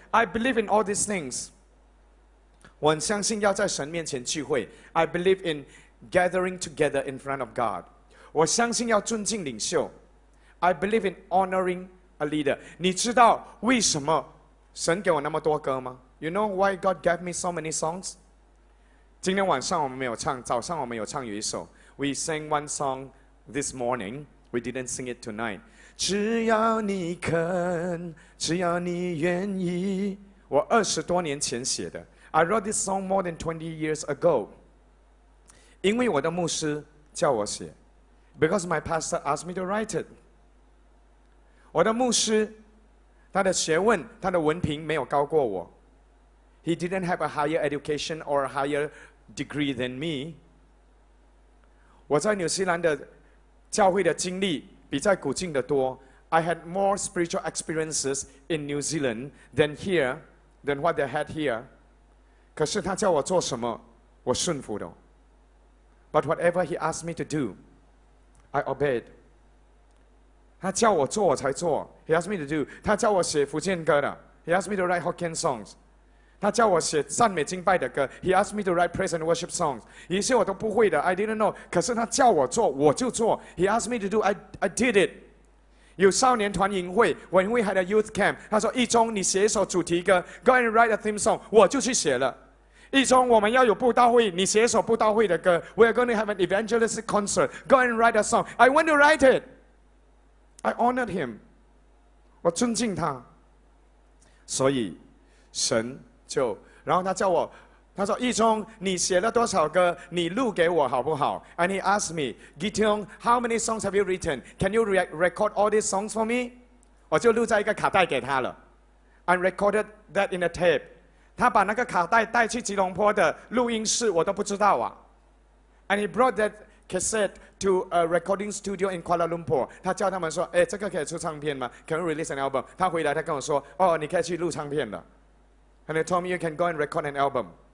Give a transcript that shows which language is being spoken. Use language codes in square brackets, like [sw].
[en] I believe in all these things. [zh] 我很相信要在神面前聚会。 [en] I believe in gathering together in front of God. [zh] 我相信要尊敬领袖。 [en] I believe in honoring a leader. [zh] 你知道为什么神给我那么多歌吗？ [en] You know why God gave me so many songs? [zh] 今天晚上我们没有唱，早上我们有唱有一首。 [en] We sang one song this morning. We didn't sing it tonight. [zh] 只要你肯，只要你愿意。我二十多年前写的。 [en] I wrote this song more than 20 years ago. [zh] 因为我的牧师叫我写。 [en] Because my pastor asked me to write it. [zh] 我的牧师，他的学问，他的文凭没有高过我。 [en] He didn't have a higher education or a higher degree than me. [zh] 我在纽西兰的教会的经历比在古晋的多。 [en] I had more spiritual experiences in New Zealand than here, than what they had here. [zh] 可是他叫我做什么，我顺服的。 [en] But whatever he asked me to do, I obeyed. [zh] 他叫我做我才做。 [en] He asked me to do. [zh] 他叫我写福建歌的。 [en] He asked me to write Hokkien songs. [zh] 他叫我写赞美敬拜的歌。 [en] He asked me to write praise and worship songs. [zh] 一些我都不会的， [en] I didn't know. [zh] 可是他叫我做，我就做。 [en] He asked me to do, I did it. [zh] 有少年团营会，我因为还在 youth camp, 他说一中你写一首主题歌， [en] Go and write a theme song. [zh] 我就去写了。一中我们要有布道会，你写一首布道会的歌。 [en] We are going to have an evangelistic concert. Go and write a song. I went to write it. I honored him. [zh] 我尊敬他。所以神就，然后他叫我，他说义中，你写了多少歌？你录给我好不好 [en] ？And he asked me, Gitong, how many songs have you written? Can you record all these songs for me? [zh] 我就录在一个卡带给他了。 [en] I recorded that in a tape. [zh] 他把那个卡带带去吉隆坡的录音室，我都不知道啊。 [en] And he brought that cassette to a recording studio in Kuala Lumpur. [zh] 他叫他们说，哎，这个可以出唱片吗 ？ [en] Can we release an album? [zh] 他回来，他跟我说，哦，你可以去录唱片了。 [en] And they told me you can go and record an album.